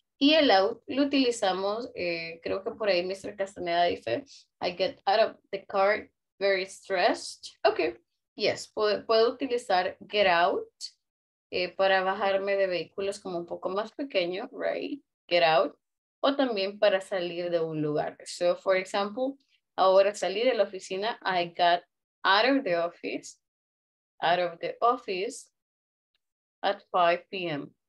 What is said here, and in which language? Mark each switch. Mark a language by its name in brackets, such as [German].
[Spanish] Y el out lo utilizamos, creo que por ahí Mr. [English] Castaneda [Spanish] dice, [English] I get out of the car very stressed. Okay, yes, [Spanish] puedo utilizar get out para bajarme de vehículos como un poco más pequeño, [English] right? Get out. [Spanish] O también para salir de un lugar. [English] So, for example, [Spanish] ahora salí de la oficina, [English] I got out of the office, at 5 p.m.